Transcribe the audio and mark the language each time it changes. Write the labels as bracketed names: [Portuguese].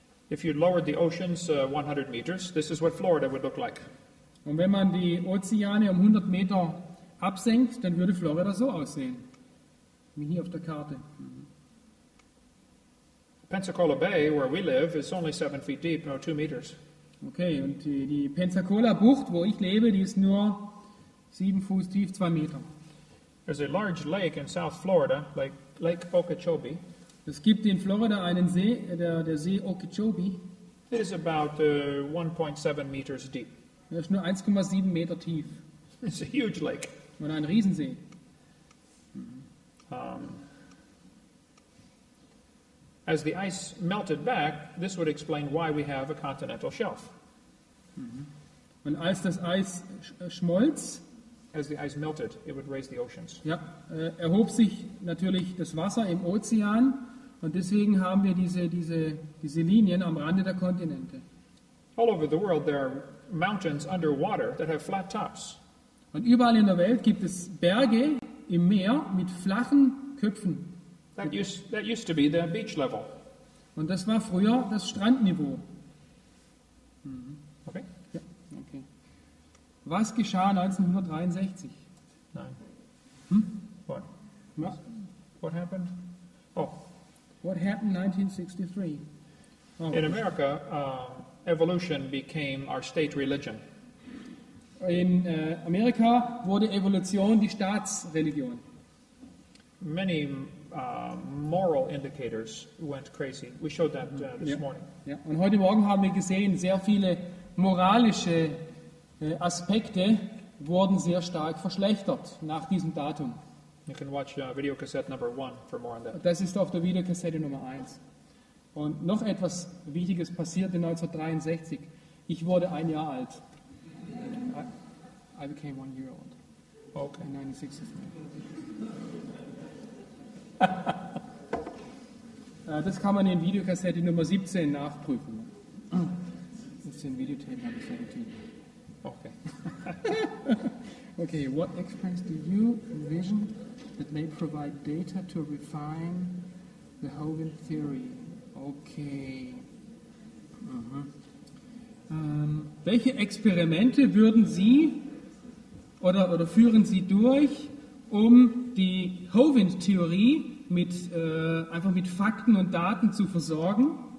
[English] If you lowered the oceans 100 meters, this is what Florida would look like. [German] Und wenn man die Ozeane 100 Meter absenkt, dann würde Florida so aussehen, wie hier auf der Karte. [English] Pensacola Bay, where we live, is only 7 feet deep, no 2 meters. [German] Okay, und die Pensacola Bucht, wo ich lebe, die ist nur 7 Fuß tief, 2 Meter. [English] There's a large lake in South Florida, Lake Okeechobee. [German] Es gibt in Florida einen See, der See Okeechobee. [English] It is about 1.7 meters deep. [German] Das ist nur 1,7 Meter tief. [English] It's a huge lake. [German] Und ein Riesensee. [English] As the ice melted back, this would explain why we have a continental shelf. [German] Mm-hmm. Und als das Eis schmolz, [English] as the ice melted, it would raise the oceans. [German] Ja, erhob sich natürlich das Wasser im Ozean, und deswegen haben wir diese Linien am Rande der Kontinente. [English] All over the world there are mountains underwater that have flat tops. [German] Und überall in der Welt gibt es Berge im Meer mit flachen Köpfen. [English] That used to be the beach level. [German] Und das war früher das Strandniveau. [English] Okay. [German] Ja, okay. Was geschah 1963? Nein. [English] What? What happened? Oh. What happened 1963? Oh, in America, evolution became our state religion. [German] In Amerika wurde Evolution die Staatsreligion. [English] Many moral indicators went crazy. We showed that this morning. [German] Ja. Und heute Morgen haben wir gesehen, sehr viele moralische Aspekte wurden sehr stark verschlechtert nach diesem Datum. [English] You can watch video cassette number one for more on that. [German] Das ist auf der Videokassette Nummer 1. Und noch etwas Wichtiges passierte 1963. Ich wurde ein Jahr alt. [English] I became 1 year old. Okay. In 1963. [German] Das kann man in Videokassette Nummer 17 nachprüfen. 15 Videotape Nummer 17. [English] Okay. Okay, what experience do you envision that may provide data to refine the Hogan theory? Okay. Mhm. [German] Welche Experimente würden Sie oder führen Sie durch, um die Hovind-Theorie mit einfach mit Fakten und Daten zu versorgen?